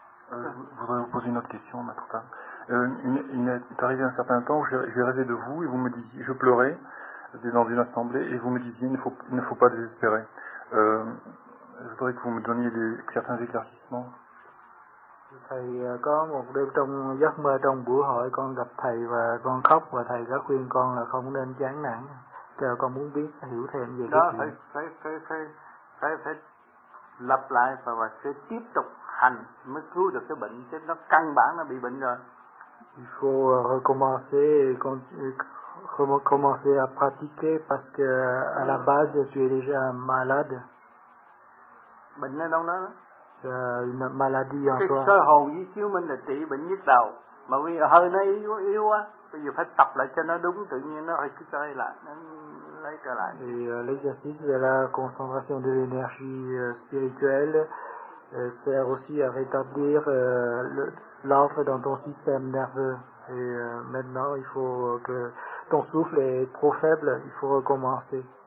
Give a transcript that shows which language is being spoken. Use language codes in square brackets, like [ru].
[fr] Je voudrais vous poser une autre question, maître Tang. Il est arrivé un certain temps où j'ai rêvé de vous et vous me disiez, je pleurais, j'étais dans une assemblée et vous me disiez, il ne faut pas désespérer. Je voudrais que vous me donniez certains éclaircissements. [vi] Thầy có một đêm trong giấc mơ trong buổi hội con gặp thầy và con khóc và thầy đã khuyên con là không nên chán nản. Giờ con muốn biết hiểu thêm về cái gì. Đó, phải lặp lại và sẽ tiếp tục hành mới cứu được cái bệnh, chứ nó căn bản nó bị bệnh rồi. [fr] Il faut recommencer et commencer à pratiquer parce que à la base tu es déjà malade. [vi] Bệnh ở đâu đó? [fr] Une maladie en toi. [vi] Cái sơ hồn với chiếu mình là trị bệnh nhức đầu, mà vì hơi nó yếu quá, bây giờ phải tập lại cho nó đúng, tự nhiên nó hơi cứ chơi lại, nó lấy trở lại. [fr] Et l'exercice de la concentration de l'énergie spirituelle sert aussi à rétablir l'ordre dans ton système nerveux. Et maintenant, il faut que ton souffle est trop faible, il faut recommencer.